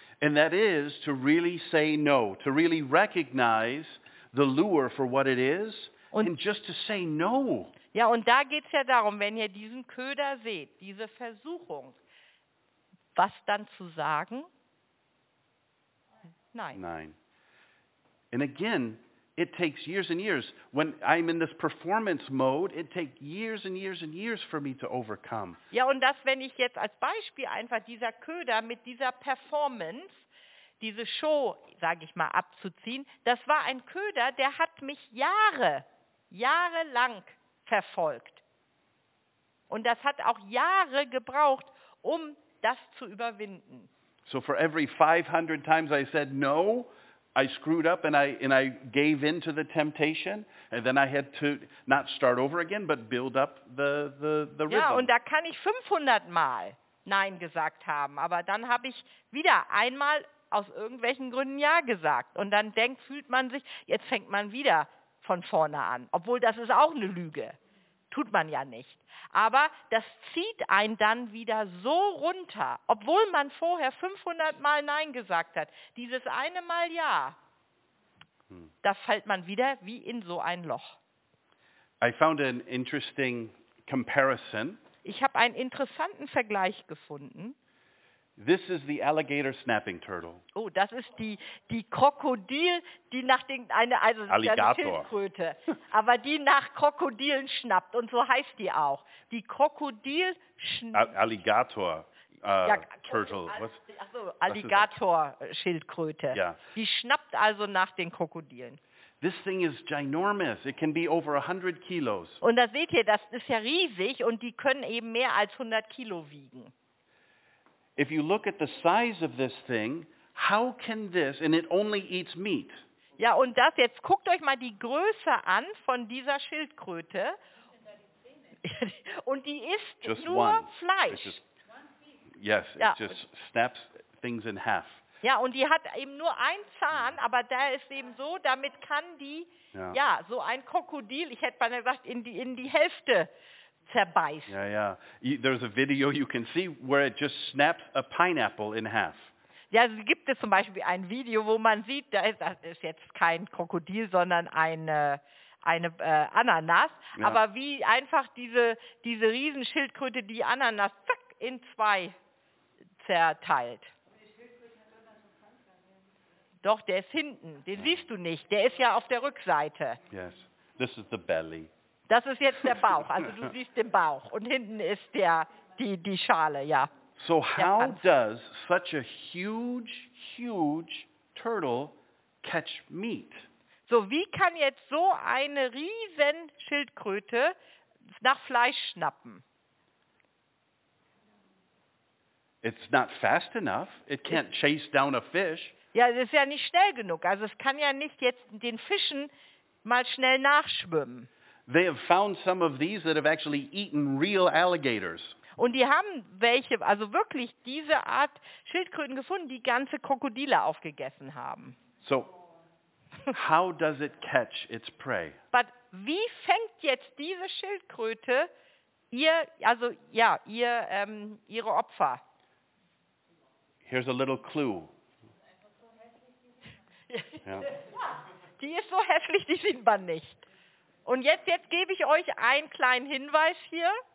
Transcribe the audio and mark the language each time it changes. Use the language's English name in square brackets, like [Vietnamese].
[English] And that is to really say no, to really recognize the lure for what it is, and just to say no. [German] Ja, und da geht's ja darum, wenn ihr diesen Köder seht, diese Versuchung, was dann zu sagen? Nein. [English] And again, it takes years and years. When I'm in this performance mode, it takes years and years and years for me to overcome. [German] Ja, und das, wenn ich jetzt als Beispiel einfach dieser Köder mit dieser Performance, diese Show, sage ich mal, abzuziehen, das war ein Köder, der hat mich jahrelang verfolgt. Und das hat auch Jahre gebraucht, um das zu überwinden. [English] So for every 500 times I said no, I screwed up and I gave in to the temptation, and then I had to not start over again, but build up the [German] ja, [English] rhythm. [German] Ja, und da kann ich 500 Mal Nein gesagt haben, aber dann habe ich wieder einmal aus irgendwelchen Gründen Ja gesagt. Und dann fühlt man sich, jetzt fängt man wieder von vorne an. Obwohl, das ist auch eine Lüge. Tut man ja nicht. Aber das zieht einen dann wieder so runter, obwohl man vorher 500 Mal Nein gesagt hat. Dieses eine Mal Ja, da fällt man wieder wie in so ein Loch. [English] I found an interesting comparison. [German] Ich habe einen interessanten Vergleich gefunden. [English] This is the alligator snapping turtle. [German] Oh, das ist die Krokodil, die nach den eine also Schildkröte, aber die nach Krokodilen schnappt und so heißt die auch. Die Krokodil [English] Alligator turtle. [German] Alligator Schildkröte. [English] Yeah. [German] Die schnappt also nach den Krokodilen. [English] This thing is ginormous. It can be over 100 kilos. [German] Und da seht ihr, das ist ja riesig und die können eben mehr als 100 Kilo wiegen. [English] If you look at the size of this thing, how can this, and it only eats meat. [German] Ja, und das, jetzt guckt euch mal die Größe an von dieser Schildkröte. Und die isst [English] just [German] nur [English] one. [German] Fleisch. [English] It's just, yes, ja, it just snaps things in half. [German] Ja, und die hat eben nur einen Zahn, aber da ist eben so, damit kann die, ja so ein Krokodil, ich hätte mal gesagt, in die Hälfte zerbeißt. Ja, ja. [English] There's a video you can see where it just snaps a pineapple in half. [German] Ja, also gibt es zum Beispiel ein Video, wo man sieht, das ist jetzt kein Krokodil, sondern eine Ananas, ja. Aber wie einfach diese Riesenschildkröte die Ananas zack in zwei zerteilt. Doch, der ist hinten. Den siehst du nicht. Der ist ja auf der Rückseite. [English] Yes, this is the belly. [German] Das ist jetzt der Bauch. Also du siehst den Bauch und hinten ist die Schale, ja. [English] So how does such a huge, huge turtle catch meat? [German] So wie kann jetzt so eine riesen Schildkröte nach Fleisch schnappen? [English] It's not fast enough. It can't chase down a fish. [German] Ja, es ist ja nicht schnell genug. Also es kann ja nicht jetzt den Fischen mal schnell nachschwimmen. [English] They have found some of these that have actually eaten real alligators. [German] Und die haben welche, also wirklich diese Art Schildkröten gefunden, die ganze Krokodile aufgegessen haben. [English] So, how does it catch its prey? [German] But wie fängt jetzt diese Schildkröte ihr, also ja, ihr, ihre Opfer? [English] Here's a little clue. Yeah. [German] Die ist so hässlich, die sieht man nicht. Und jetzt gebe ich euch einen kleinen Hinweis hier.